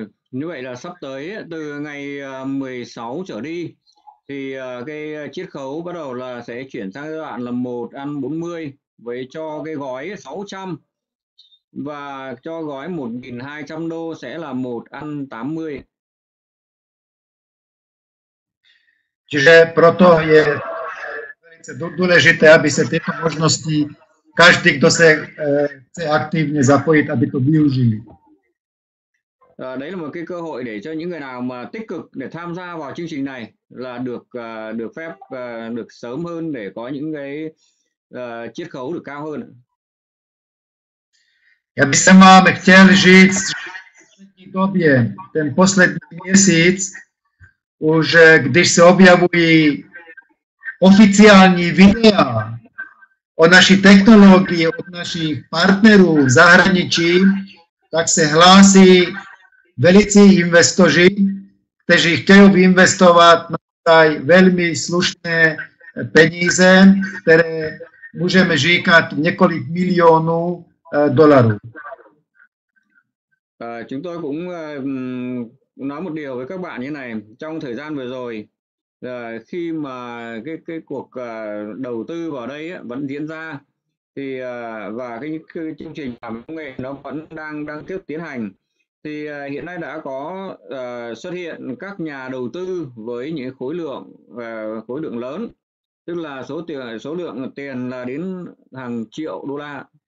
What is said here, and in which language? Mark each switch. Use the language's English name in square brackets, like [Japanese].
[Vietnamese] Như vậy là sắp tới từ ngày 16 trở đi thì cái chiết khấu bắt đầu là sẽ chuyển sang giai đoạn là 1:40 với cho cái gói 600 và cho gói 1.200 đô sẽ là 1:80. [Czech] Čiže proto je velice důležité, aby se tyto možnosti každý, kdo se chce aktivně zapojit, aby to využili. [Vietnamese] Đấy là một cái cơ hội để cho những người nào mà tích cực để tham gia vào chương trình này là được được phép được sớm hơn để có những cái chiết khấu được cao hơn. [Czech] Já bych sem vám chtěl říct, že v poslední době, ten poslední měsíc, už když se objavují oficiální videa o naší technologii od našich partnerů v zahraničí, tak se hlásí velicí investoři, kteří chtějí investovat na tady velmi slušné peníze, které můžeme říkat několik milionů dolarů. [Vietnamese] Chúng tôi cũng nói một điều với các bạn như này, trong thời gian vừa rồi, khi mà cái cuộc đầu tư vào đây vẫn diễn ra, thì và cái chương trình làm công nghệ nó vẫn đang tiếp tiến hành, thì hiện nay đã có xuất hiện các nhà đầu tư với những khối lượng lớn, tức là số lượng tiền là đến hàng triệu đô la.